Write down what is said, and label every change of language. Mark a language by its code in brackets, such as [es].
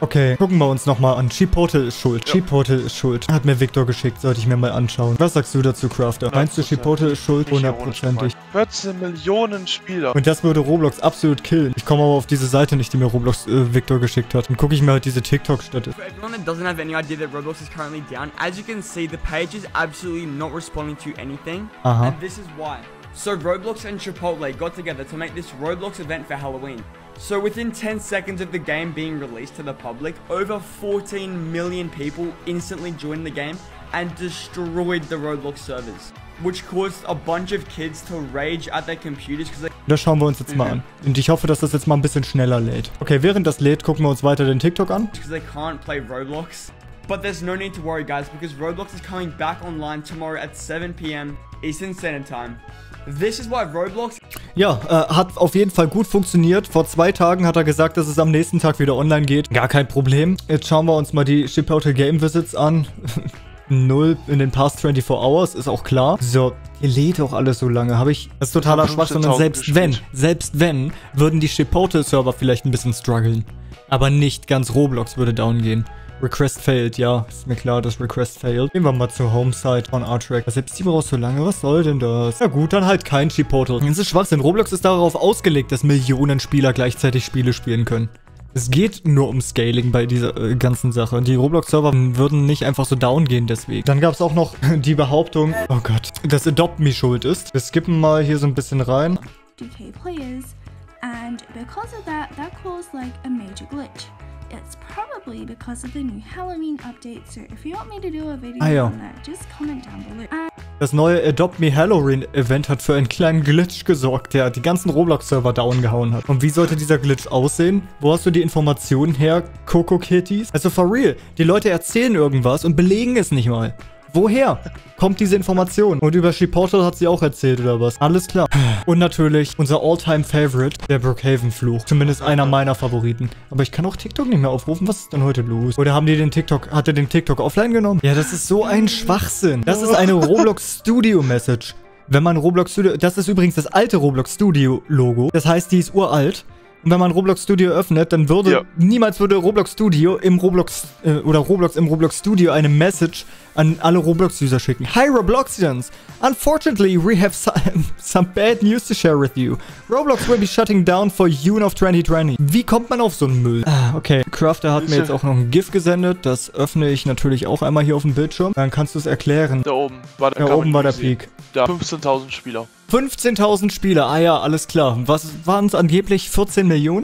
[de] Okay, gucken wir uns nochmal an. Chipotle ist schuld. Ja. Chipotle ist schuld. Hat mir Victor geschickt, sollte ich mir mal anschauen. Was sagst du dazu, Crafter? Meinst du, Chipotle ist schuld? Hundertprozentig. 14 Millionen Spieler. Und das würde Roblox absolut killen. Ich komme aber auf diese Seite nicht, die mir Roblox Victor geschickt hat. Dann gucke ich mir halt diese TikTok-Statte. [en] For everyone that doesn't have any idea that Roblox is currently down, as you can see, the page is absolutely not responding to anything. Aha. And this is why. So Roblox and Chipotle got together to make this Roblox event for Halloween. So within 10 seconds of the game being released to the public, over 14 million people instantly joined the game and destroyed the Roblox servers, which caused a bunch of kids to rage at their computers because they... [de] Das schauen wir uns jetzt mal an. Und ich hoffe, dass das jetzt mal ein bisschen schneller lädt. Okay, während das lädt, gucken wir uns weiter den TikTok an. [en] Because they can't play Roblox. But there's no need to worry, guys, because Roblox is coming back online tomorrow at 7 p.m. Eastern Standard Time. This is why Roblox... [de] Ja, hat auf jeden Fall gut funktioniert. Vor 2 Tagen hat er gesagt, dass es am nächsten Tag wieder online geht. Gar kein Problem. Jetzt schauen wir uns mal die Chipotle Game Visits an. Null in den [en] past 24 hours, [de] ist auch klar. So, hier lädt auch alles so lange. Habe ich... Das ist totaler Schwachsinn. Und selbst wenn, würden die Chipotle Server vielleicht ein bisschen strugglen. Aber nicht ganz Roblox würde down gehen. Request failed, ja. Ist mir klar, dass Request failed. Gehen wir mal zur Homesite von Artrek. Selbst die braucht so lange. Was soll denn das? Ja gut, dann halt kein Chipotle. Das ist Schwachsinn. Roblox ist darauf ausgelegt, dass Millionen Spieler gleichzeitig Spiele spielen können. Es geht nur um Scaling bei dieser ganzen Sache. Die Roblox-Server würden nicht einfach so down gehen deswegen. Dann gab es auch noch die Behauptung, oh Gott, dass Adopt Me schuld ist. Wir skippen mal hier so ein bisschen rein. [en] DK Players. And because of that, that caused like a major glitch. It's probably because of the new Halloween update, so if you want me to do a video on that, just comment down below. [de] Das neue Adopt Me Halloween Event hat für einen kleinen Glitch gesorgt, der die ganzen Roblox-Server down gehauen hat. Und wie sollte dieser Glitch aussehen? Wo hast du die Informationen her, Coco Kitties? Also [en] for real, [de] die Leute erzählen irgendwas und belegen es nicht mal. Woher kommt diese Information? Und über Chipotle hat sie auch erzählt, oder was? Alles klar. Und natürlich unser All-Time-Favorite, der Brookhaven-Fluch. Zumindest einer meiner Favoriten. Aber ich kann auch TikTok nicht mehr aufrufen. Was ist denn heute los? Oder haben die den TikTok... Hat er den TikTok offline genommen? Ja, das ist so ein Schwachsinn. Das ist eine Roblox-Studio-Message. Wenn man Roblox-Studio... Das ist übrigens das alte Roblox-Studio-Logo. Das heißt, die ist uralt. Und wenn man Roblox Studio öffnet, dann würde, niemals würde Roblox Studio im Roblox, oder Roblox im Roblox Studio eine Message an alle Roblox-User schicken. [en] Hi Robloxians! Unfortunately, we have some bad news to share with you. Roblox will be shutting down for June of 2020. [de] Wie kommt man auf so einen Müll? Okay, Crafter hat mir jetzt auch noch ein GIF gesendet. Das öffne ich natürlich auch einmal hier auf dem Bildschirm. Dann kannst du es erklären. Da oben war der Peak. Da 15.000 Spieler. 15.000 Spieler, ah ja, alles klar. Was waren es angeblich? 14 Millionen?